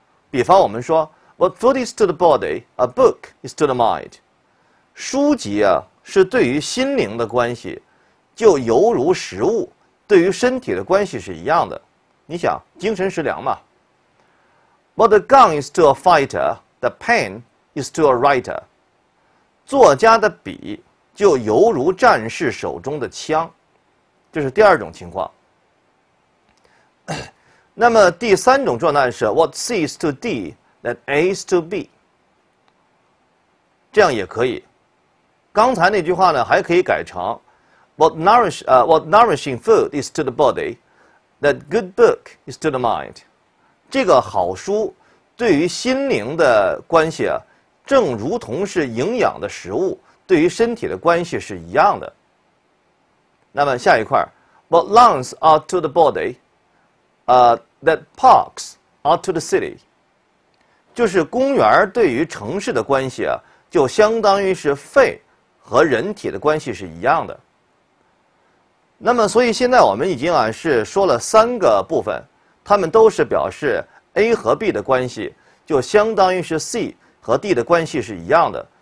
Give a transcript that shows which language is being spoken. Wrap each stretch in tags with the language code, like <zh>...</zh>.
<zh>比方我们说</zh> <en>What food is to the body, a book is to the mind.</en> <zh>书籍啊，是对于心灵的关系，就犹如食物，对于身体的关系是一样的。你想，精神食粮嘛。</zh> <en>What a gun is to a fighter, the pen is to a writer.</en> <zh>作家的笔就犹如战士手中的枪，这是第二种情况。那么第三种状态是</zh> <en>What C is to D,That A is to B，</en> <zh>这样也可以。刚才那句话呢，还可以改成</zh> <en>What nourishing food is to the body, that good book is to the mind。</en> <zh>这个好书对于心灵的关系啊，正如同是营养的食物对于身体的关系是一样的。那么下一块</zh> <en>What lungs are to the body, that parks are to the city。</en> <zh>就是公园对于城市的关系啊，就相当于是肺和人体的关系是一样的。那么，所以现在我们已经啊是说了三个部分，它们都是表示 A 和 B 的关系，就相当于是 C 和 D 的关系是一样的。</zh>